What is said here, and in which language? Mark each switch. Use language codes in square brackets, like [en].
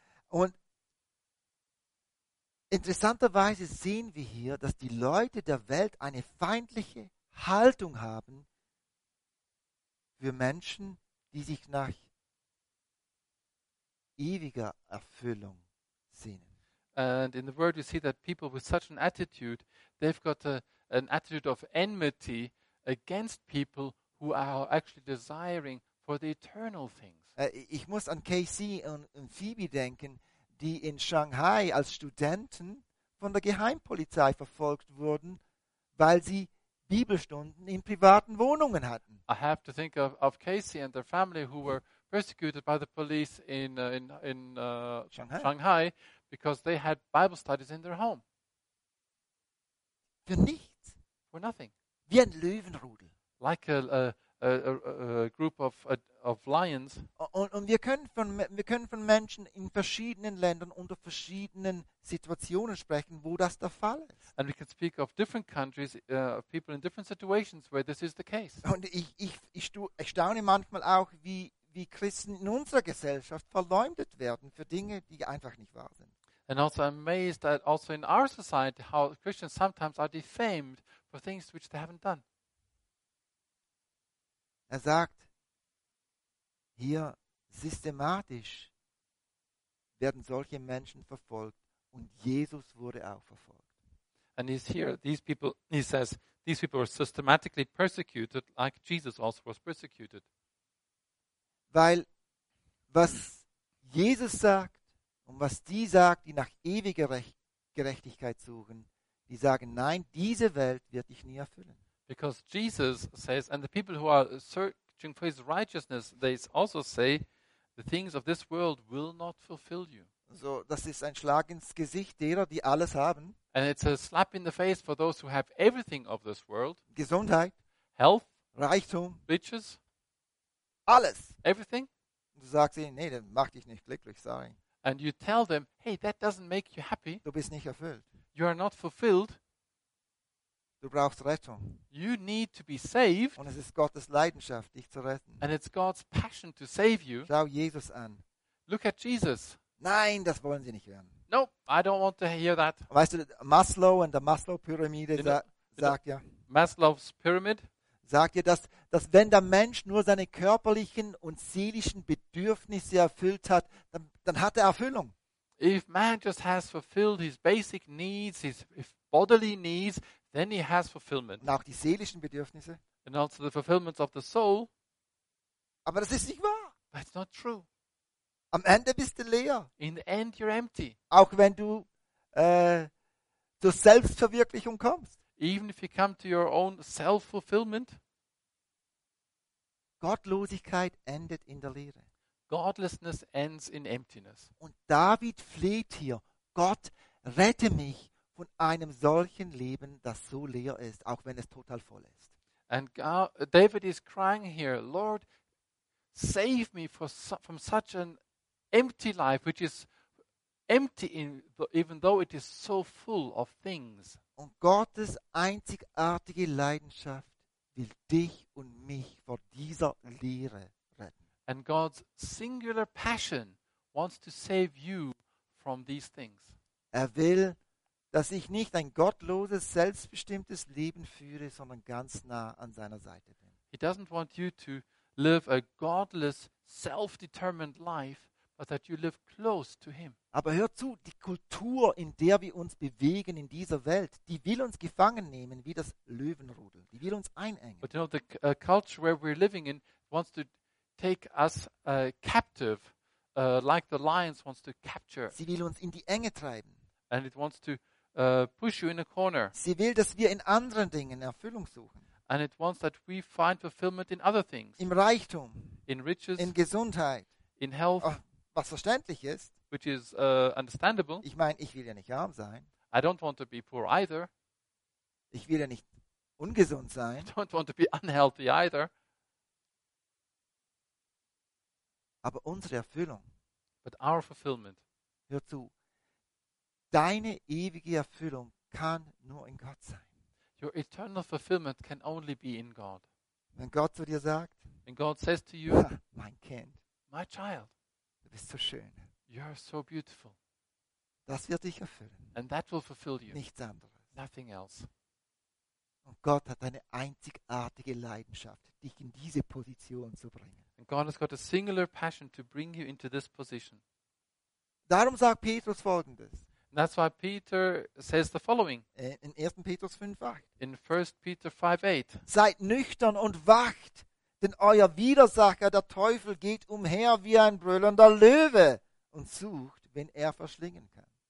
[de] Und interessanterweise sehen wir hier, dass die Leute der Welt eine feindliche Haltung haben für Menschen, die sich nach ewiger Erfüllung sehnen. [en] And in the world you see that people with such an attitude, they've got an attitude of enmity against people who are actually desiring for the eternal things. [de] Ich muss an KC und Phoebe denken, die in Shanghai als Studenten von der Geheimpolizei verfolgt wurden, weil sie Bibelstunden in privaten Wohnungen hatten. [en] I have to think of Casey and their family who were persecuted by the police in Shanghai because they had Bible studies in their home. [de] Für nichts. [en] For nothing. [de] Wie ein Löwenrudel. [en] Like a group of lions. [de] Und wir können von Menschen in verschiedenen Ländern unter verschiedenen Situationen sprechen, wo das der Fall ist. [en] And we can speak of different countries, of people in different situations where this is the case. [de] Und ich staune manchmal auch, wie Christen in unserer Gesellschaft verleumdet werden für Dinge, die einfach nicht wahr sind. [en] And also amazed at also in our society how Christians sometimes are defamed for things which they haven't done. [de] Er sagt, hier systematisch werden solche Menschen verfolgt und Jesus wurde auch verfolgt. [en] And he's here, these people, he says, these people were systematically persecuted like Jesus also was persecuted. [de] Weil was Jesus sagt und was die sagt, die nach ewiger Gerechtigkeit suchen, die sagen, nein, diese Welt wird dich nie erfüllen. [en] Because Jesus says, and the people who are searching for his righteousness, they also say, the things of this world will not fulfill you. [de] So, das ist ein Schlag ins Gesicht derer, die alles haben. [en] And it's a slap in the face for those who have everything of this world. [de] Gesundheit. [en] Health. [de] Reichtum. [en] Riches. [de] Alles. [en] Everything. [de] Du sagst ihnen, nee, das macht dich nicht glücklich, sorry. [en] And you tell them, hey, that doesn't make you happy. [de] Du bist nicht erfüllt. [en] You are not fulfilled. [de] Du brauchst Rettung. [en] You need to be saved. [de] Und es ist Gottes Leidenschaft, dich zu retten. [en] And it's God's passion to save you. [de] Schau Jesus an. [en] Look at Jesus. [de] Nein, das wollen sie nicht hören. [en] Nope, I don't want to hear that. [de] Weißt du, Maslow und der Maslow-Pyramide sagt ja. [en] Maslow's Pyramid. [de] Sagt ja, dass wenn der Mensch nur seine körperlichen und seelischen Bedürfnisse erfüllt hat, dann hat er Erfüllung. [en] If man just has fulfilled his basic needs, his bodily needs, then he has fulfillment. [de] Und auch die seelischen Bedürfnisse. [en] And also the fulfillment of the soul. [de] Aber das ist nicht wahr. [en] But it's not true. [de] Am Ende bist du leer. [en] In the end you're empty. [de] Auch wenn du zur Selbstverwirklichung kommst. [en] Even if you come to your own self-fulfillment. [de] Gottlosigkeit endet in der Leere. [en] Godlessness ends in emptiness. [de] Und David fleht hier, Gott, rette mich von einem solchen Leben, das so leer ist, auch wenn es total voll ist. [en] And David is crying here, Lord, save me from such an empty life, which is empty even though it is so full of things. [de] Und Gottes einzigartige Leidenschaft will dich und mich vor dieser Leere retten. [en] And God's singular passion wants to save you from these things. [de] Er will, dass ich nicht ein gottloses, selbstbestimmtes Leben führe, sondern ganz nah an seiner Seite bin. [en] He doesn't want you to live a godless, self-determined life, but that you live close to him. [de] Aber hör zu, die Kultur, in der wir uns bewegen in dieser Welt, die will uns gefangen nehmen wie das Löwenrudel. Die will uns einengen. [en] But you know, the culture where we're living in wants to take us captive, like the lions wants to capture. [de] Sie will uns in die Enge treiben. [en] And it wants to push you in a corner. [de] Sie will, dass wir in anderen Dingen Erfüllung suchen. [en] And it wants that we find fulfillment in other things. [de] Im Reichtum. [en] In riches. [de] In Gesundheit. [en] In health. [de] Was verständlich ist. [en] Which is understandable. [de] Ich meine, ich will ja nicht arm sein. [en] I don't want to be poor either. [de] Ich will ja nicht ungesund sein. [en] I don't want to be unhealthy either. [de] Aber unsere Erfüllung. [en] But our fulfillment. [de] Hör zu. Deine ewige Erfüllung kann nur in Gott sein. [en] Your eternal fulfillment can only be in God. [de] Wenn Gott zu dir sagt, [en] and God says to you, [de] mein Kind, [en] my child, [de] du bist so schön. [en] You are so beautiful. [de] Das wird dich erfüllen. [en] And that will fulfill you. [de] Nichts anderes. [en] Nothing else. [de] Und Gott hat eine einzigartige Leidenschaft, dich in diese Position zu bringen. [en] And God has got a singular passion to bring you into this position. [de] Darum sagt Petrus Folgendes. [en] That's why Peter says the following. [de] In 1. Petrus 5:8. [en] In 1 Peter 5:8. [de] Seid nüchtern und wacht, denn euer Widersacher, der Teufel, geht umher wie ein brüllender Löwe und sucht, wen er verschlingen kann.